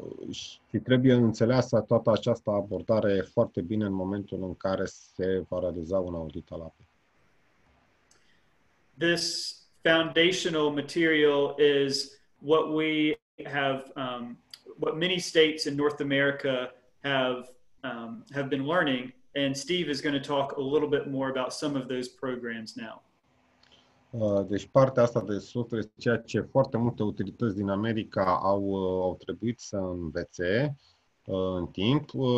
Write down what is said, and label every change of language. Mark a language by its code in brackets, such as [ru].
[ro] și trebuie înțeleasă toată această abordare foarte bine în momentul în care se va realiza un audit al apei. [en] This foundational material is what we have, what many states in North America have been learning, and Steve is going to talk a little bit more about some of those programs now. [ro] Deci partea asta de software este ceea ce foarte multe utilități din America au trebuit să învețe în timp.